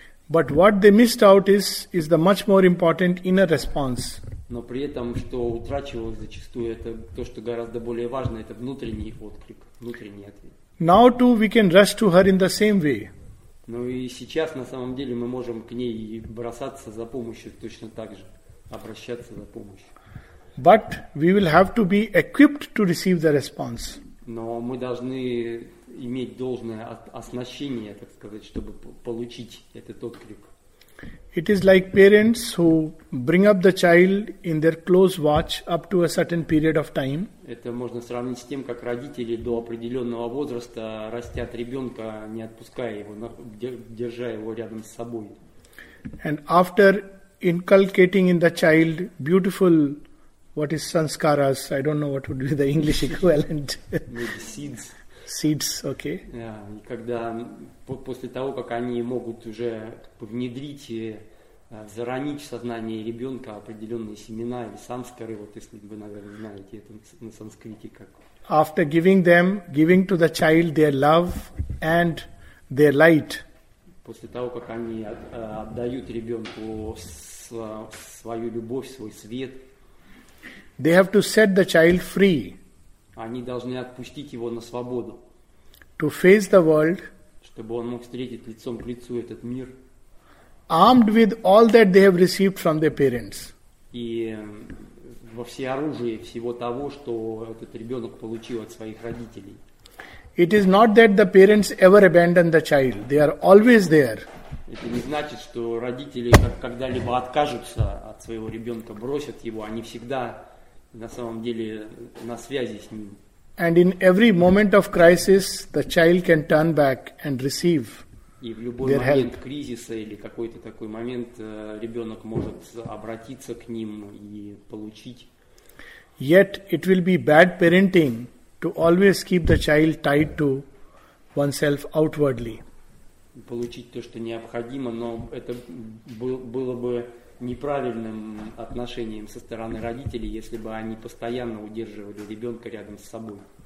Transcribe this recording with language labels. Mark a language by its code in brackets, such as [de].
[en] But what they missed out is the much more important inner response. [ru] Но при этом, что утрачивалось зачастую, это то, что гораздо более важно, это внутренний отклик, внутренний ответ. [en] Now too we can rush to her in the same way. [ru] Ну и сейчас на самом деле мы можем к ней бросаться за помощью точно так же, обращаться за помощью. [en] But we will have to be equipped to receive the response. [ru] Но мы должны иметь должное оснащение, так сказать, чтобы получить этот отклик. [en] It is like parents who bring up the child in their close watch up to a certain period of time. [ru] Это можно сравнить с тем, как родители до определенного возраста растят ребенка, не отпуская его, держа его рядом с собой. [en] And after inculcating in the child beautiful, what is sanskaras? I don't know what would be the English equivalent. Maybe seeds. Seeds, okay. [ru] Yeah, когда после того, как они могут уже внедрить, заронить в сознание ребенка определенные семена или санскары, вот если вы, наверное, знаете это на санскрите как. [en] After giving them, giving to the child their love and their light. [ru] После того, как они отдают ребенку свою любовь, свой свет. [en] They have to set the child free. [ru] Они должны отпустить его на свободу. [en] To face the world. [ru] Чтобы он мог встретить лицом к лицу этот мир. [en] Armed with all that they have received from their parents. [ru] И во всеоружии всего того, что этот ребенок получил от своих родителей. [en] It is not that the parents ever abandon the child. They are always there. [ru] Это не значит, что родители когда-либо откажутся от своего ребенка, бросят его. Они всегда на самом деле на связи с ним. [en] And in every moment of crisis, the child can turn back and receive their help. [ru] И в любой момент кризиса или какой-то такой момент ребенок может обратиться к ним и получить. [en] Yet it will be bad parenting to always keep the child tied to oneself outwardly. [ru] Получить то, что необходимо, но это было бы неправильным отношением со стороны родителей, если бы они постоянно удерживали ребенка рядом с собой.